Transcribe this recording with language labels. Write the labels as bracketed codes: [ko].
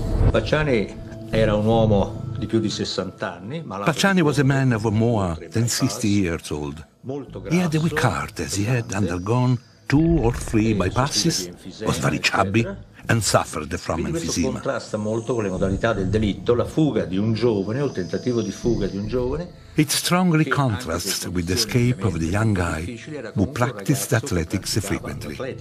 [it] Pacciani era un uomo di più di 60 anni. [en] Pacciani was a man of more than 60 years old. He had a weak heart as he had undergone two or three bypasses, was very chubby, and suffered from emphysema. [it] Contrasta molto con le modalità del delitto, la fuga di un giovane o il tentativo di fuga di un giovane. [en] It strongly contrasts with the escape of the young guy who practiced athletics frequently.